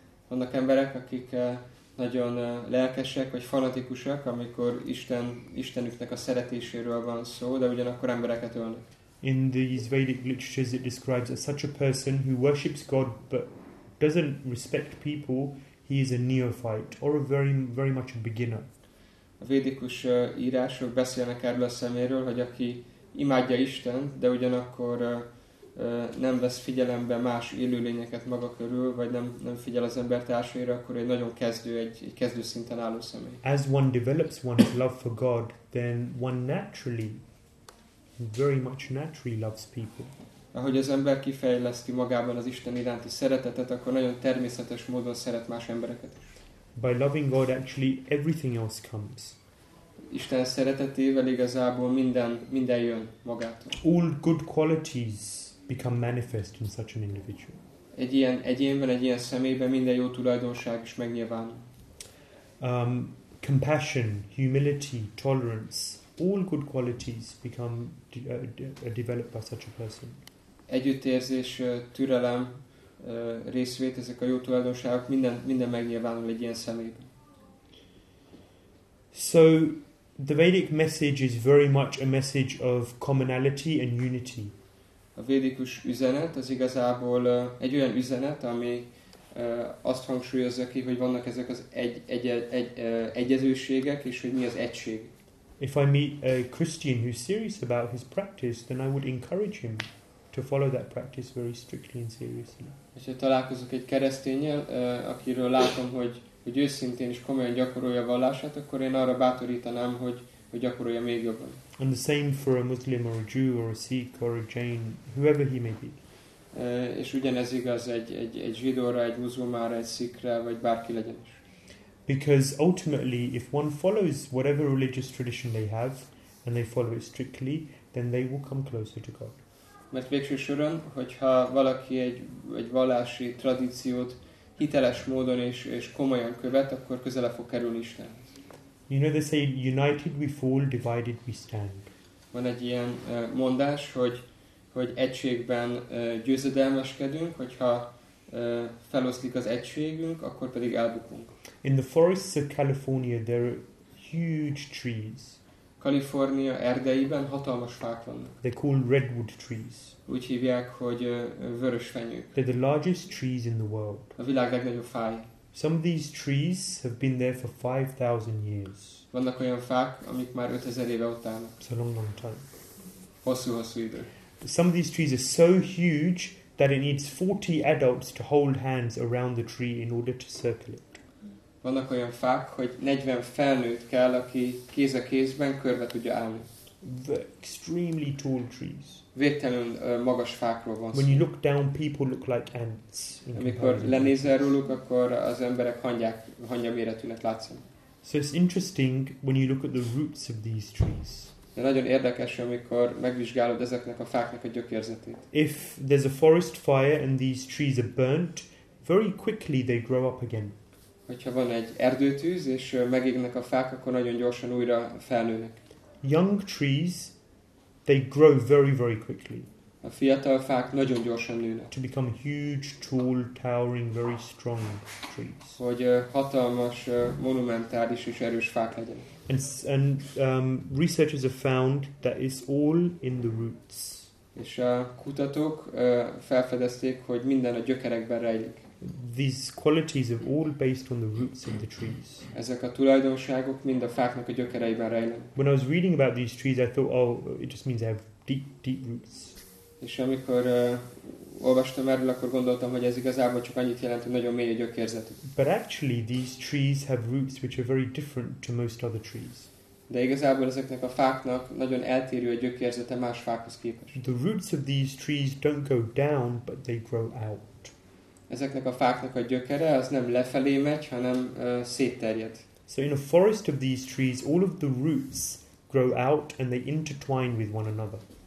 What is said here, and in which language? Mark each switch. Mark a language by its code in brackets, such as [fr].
[hu] Vannak emberek, akik nagyon lelkesek vagy fanatikusak, amikor Istenüknek a szeretéséről van szó, de ugyanakkor embereket ölnek. [en] In these Vedic literatures, it describes that such a person who worships God but doesn't respect people, he is a neophyte or a very, very much a beginner. [hu] A védikus írások beszélnek erről a szeméről, hogy aki imádja Istent, de ugyanakkor nem vesz figyelembe más élőlényeket maga körül, vagy nem figyel az embertársaira, akkor egy nagyon kezdő, egy kezdő szinten álló személy. [en] As one develops one's love for God, then one naturally, very much naturally loves people. [hu] Ahogy az ember kifejleszti magában az Isten iránti szeretetet, akkor nagyon természetes módon szeret más embereket. [en] By loving God, actually everything else comes. [hu] Isten szeretetével igazából minden jön magától. [en] All good qualities become manifest in such an individual. [hu] Egy ilyen egyénben, egy ilyen személyben minden jó tulajdonság is megnyilván. [en] Compassion, humility, tolerance, all good qualities become developed by such a person. [hu] Együttérzés, türelem, részvét, ezek a jó tulajdonságok, minden megnyilvánul egy ilyen személyben. [en] So, the Vedic message is very much a message of commonality and unity. [hu] A védikus üzenet az igazából egy olyan üzenet, ami azt hangsúlyozza ki, hogy vannak ezek az egyezőségek, és hogy mi az egység. [en] If I meet a Christian who's serious about his practice, then I would encourage him to follow that practice very strictly and seriously. [hu] Ha találkozok egy keresztényel, akiről látom, hogy őszintén és komolyan gyakorolja a vallását, akkor én arra bátorítanám, hogy gyakorolja még jobban. [en] And the same for a Muslim or a Jew or a Sikh or a Jain, whoever he may be. [hu] És ugyanez igaz egy zsidóra, egy muzulmára, egy szikre, vagy bárki legyen is. [en] Because ultimately, if one follows whatever religious tradition they have, and they follow it strictly, then they will come closer to God. [hu] Mert végső soron, hogyha valaki egy vallási tradíciót hiteles módon és komolyan követ, akkor közelebb fog kerülni Istenhez. [en] You know, they say, united we fall, divided we stand. [hu] Van egy ilyen mondás, hogy egységben győzedelmeskedünk, hogyha feloszlik az egységünk, akkor pedig elbukunk. [en] In the forests of California, there are huge trees. [hu] California erdeiben hatalmas fák vannak. [en] They're called redwood trees. [hu] Úgy hívják, hogy vörös fenyők. [en] They're the largest trees in the world. [hu] A világ legnagyobb fája. [en] Some of these trees have been there for 5,000 years. [hu] Vannak olyan fák, amik már 5000 éve ott állnak. [en] It's a long, long time. [hu] Hosszú idő. [en] Some of these trees are so huge that it needs 40 adults to hold hands around the tree in order to circle it. [hu] Vannak olyan fák, hogy 40 felnőtt kell, aki kéz a kézben körbe tudja állni. [en] The extremely tall trees. [hu] Végtelenül magas fákról van szó. [en] When you look down, people look like ants. [hu] Amikor lenézel róluk, akkor az emberek hangya méretűnek látszanak. [en] So it's interesting when you look at the roots of these trees. [hu] De nagyon érdekes, amikor megvizsgálod ezeknek a fáknak a gyökérzetét. [en] If there's a forest fire and these trees are burnt, very quickly they grow up again. [hu] Hogyha van egy erdőtűz és megégnek a fák, akkor nagyon gyorsan újra felnőnek. [en] Young trees, they grow very, very quickly. [hu] A fiatal fák nagyon gyorsan nőnek. [en] To become huge, tall, towering, very strong trees. [hu] Hogy hatalmas, monumentális és erős fák legyenek. [en] And researchers have found that it's all in the roots. [hu] És a kutatók felfedezték, hogy minden a gyökerekben rejlik. [en] These qualities are all based on the roots of the trees. [hu] Ezek a tulajdonságok mind a fáknak a gyökereiben rejlenek. [en] When I was reading about these trees, I thought, oh, it just means they have deep, deep roots. [hu] És amikor olvastam erről, akkor gondoltam, hogy ez igazából csak annyit jelent, hogy nagyon mély a gyökérzetük. [en] But actually, these trees have roots which are very different to most other trees. [hu] De igazából ezeknek a fáknak nagyon eltérő a gyökérzete más fákhoz képest. [en] The roots of these trees don't go down, but they grow out. [hu] Ezeknek a fáknak a gyökere az nem lefelé megy, hanem szétterjed. [en] So in a forest of these trees, all of the roots grow out and they intertwine with one another.